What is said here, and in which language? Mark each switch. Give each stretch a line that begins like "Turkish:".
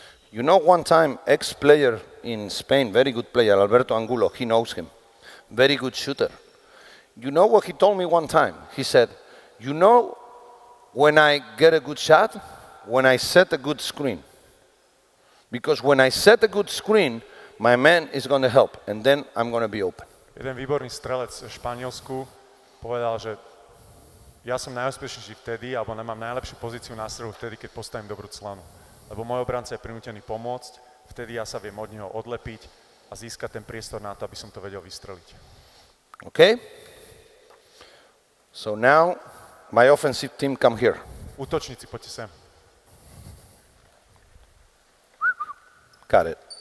English: You know, one time, ex-player in Spain, very good player, Alberto Angulo, he knows him. Very good shooter. You know what he told me one time? He said, you know, when I get a good shot, when I set a good screen. Because when I set a good screen, my man is going to help, and then I'm going to be open.
Slovak: Jeden výborný strelec v Španielsku povedal, že ja som najúspešnejší vtedy, alebo nemám najlepšiu pozíciu na strehu vtedy, keď postavím dobrú clonu. Lebo môj obranca je prinútený pomôcť, vtedy ja sa viem od neho odlepiť a získať ten priestor na to, aby som to vedel vystreliť.
English: OK. So now my offensive team come here.
Slovak: Útočníci, poďte sem.
English: Got it.